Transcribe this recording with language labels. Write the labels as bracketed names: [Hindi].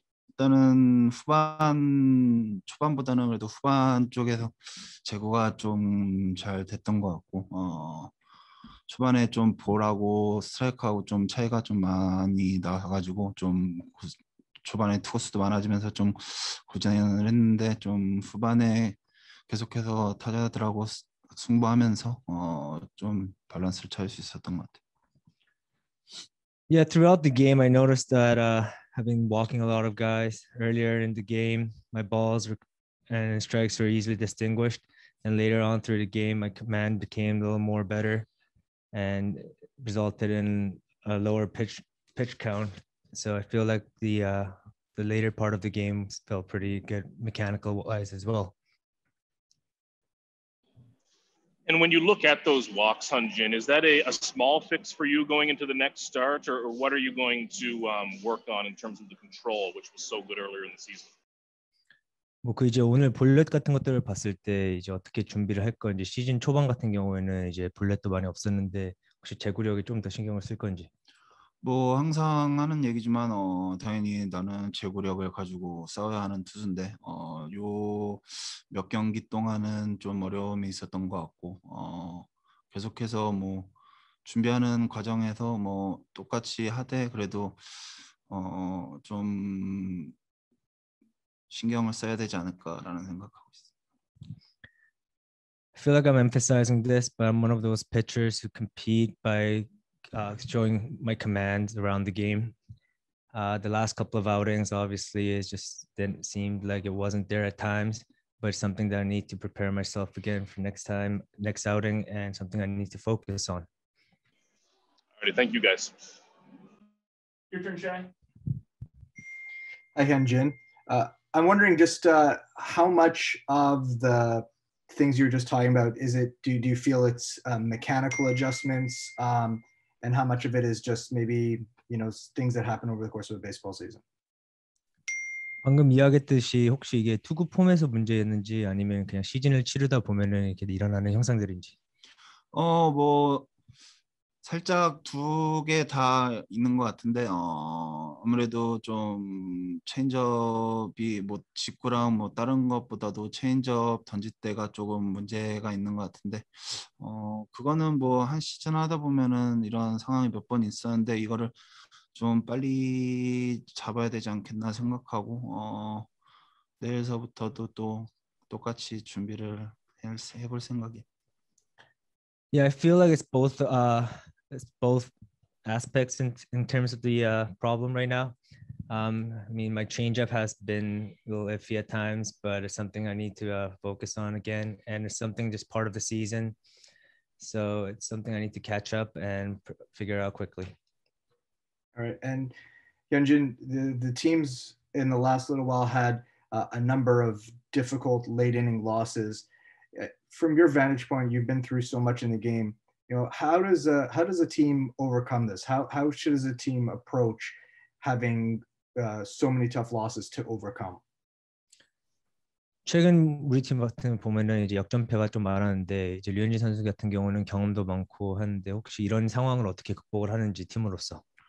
[Korean] 일단은 초반보다는 그래도 후반 쪽에서 제고가 좀잘 됐던 것 같고, 초반에 좀 볼하고 스트라이크하고 좀 차이가 좀 많이 나가지고 좀 초반에 투구수도 많아지면서 좀 고전을 했는데, 좀 후반에 계속해서 타자들하고 승부하면서 좀 밸런스를 찾을 수 있었던 것 같아요. [English] Yeah, throughout the game, I noticed that I've been walking a lot of guys earlier in the game. My balls were, and strikes were easily distinguished. And later on through the game, my command became a little more better and resulted in a lower pitch count. So I feel like the later part of the game felt pretty good mechanical wise as well. And when you look at those walks, Hunjin, is that a small fix for you going into the next start, or what are you going to work on in terms of the control, which was so good earlier in the season? [Korean] 뭐그 이제 오늘 볼넷 같은 것들을 봤을 때 이제 어떻게 준비를 할 건지, 시즌 초반 같은 경우에는 이제 볼넷도 많이 없었는데 혹시 제구력에 좀더 신경을 쓸 건지. 뭐 항상 하는 얘기지만 당연히 나는 제구력을 가지고 싸워야 하는 투수인데, 요몇 경기 동안은 좀 어려움이 있었던 것 같고, 계속해서 뭐 준비하는 과정에서 뭐 똑같이 하되 그래도 좀 신경을 써야 되지 않을까라는 생각하고 있어요. [English] I feel like I'm emphasizing this, but I'm one of those pitchers who compete by showing my command around the game. The last couple of outings, obviously, it just didn't seem like it wasn't there at times, but it's something that I need to prepare myself again for next time, next outing, and something I need to focus on. All right, thank you guys. Your turn, Shai. Hi, Hyunjin. I'm wondering just how much of the things you were just talking about is it? Do you feel it's mechanical adjustments, and how much of it is just maybe things that happen over the course of a baseball season? [Korean] 방금 이야기했듯이 혹시 이게 투구 폼에서 문제였는지 아니면 그냥 시즌을 치르다 보면은 이렇게 일어나는 형상들인지. 뭐. 살짝 두개다 있는 것 같은데, 아무래도 좀 체인지업이 뭐 직구랑 뭐 다른 것보다도 체인지업 던질 때가 조금 문제가 있는 것 같은데, 그거는 뭐한 시즌 하다 보면은 이런 상황이 몇번 있었는데 이거를 좀 빨리 잡아야 되지 않겠나 생각하고, 내일서부터도 또 똑같이 준비를 해볼 생각이에요. [English] Yeah, I feel like it's both aspects in terms of the problem right now. I mean, my changeup has been a little iffy at times, but it's something I need to focus on again, and it's something just part of the season, so it's something I need to catch up and figure out quickly. All right, and Hyunjin, the teams in the last little while had a number of difficult late inning losses. From your vantage point, you've been through so much in the game. How does a team overcome this? How should a team approach having so many tough losses to overcome? [Korean] 최근 우리 팀 같은 경우는 이제 역전패가 좀 많았는데 이제 류현진 선수 같은 경우는 경험도 많고 하는데 혹시 이런 상황을 어떻게 극복을 하는지 팀으로서.